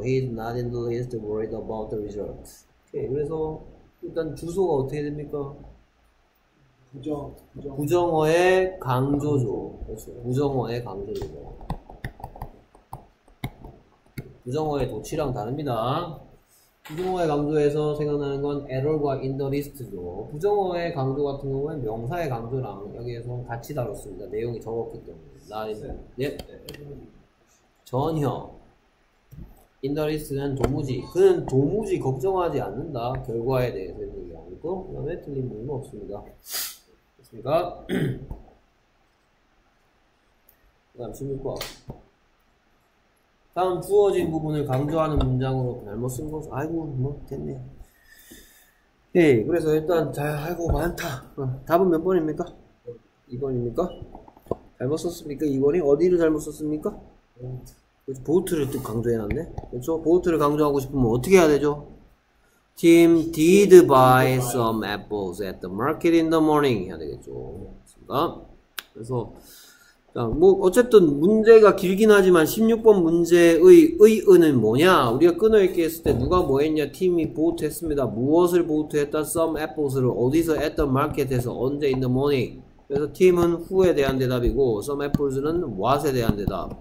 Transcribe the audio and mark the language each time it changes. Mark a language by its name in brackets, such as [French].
[English] He is not in the least worried about the result. [Korean] 오케이. 그래서 일단 주소가 어떻게 됩니까? 부정어의 강조죠. 그렇죠. 부정어의 강조죠. 부정어의 도치랑 다릅니다. 부정어의 강조에서 생각나는 건 error과 in the list죠. 부정어의 강조 같은 경우는 명사의 강조랑 여기에서 같이 다뤘습니다. 내용이 적었기 때문에. 네. 예. 전혀. In the list는 도무지. 그는 도무지 걱정하지 않는다. 결과에 대해서 얘기하고 있고, 그 다음에 틀린 부분은 없습니다. 됐습니까? 그 다음 16과. 다음 주어진 부분을 강조하는 문장으로 잘못 쓴 것. 아이고, 뭐, 됐네. 예, 그래서 일단, 아이고, 많다. 답은 몇 번입니까? 2번입니까? 잘못 썼습니까? 2번이? 어디를 잘못 썼습니까? 보트를 또 강조해놨네. 그렇죠? 보트를 강조하고 싶으면 어떻게 해야 되죠? [English] Tim did buy some apples at the market in the morning [Korean] 해야 되겠죠. 맞습니다. 그래서 자, 뭐 어쨌든 문제가 길긴 하지만 16번 문제의 의은은 뭐냐? 우리가 끊어있게 했을 때 누가 뭐 했냐? Tim이 보트 했습니다. 무엇을 보트 했다? Some apples를 어디서? At the market에서 언제? [English] In the morning. [Korean] 그래서 Tim은 who에 대한 대답이고 some apples는 what에 대한 대답.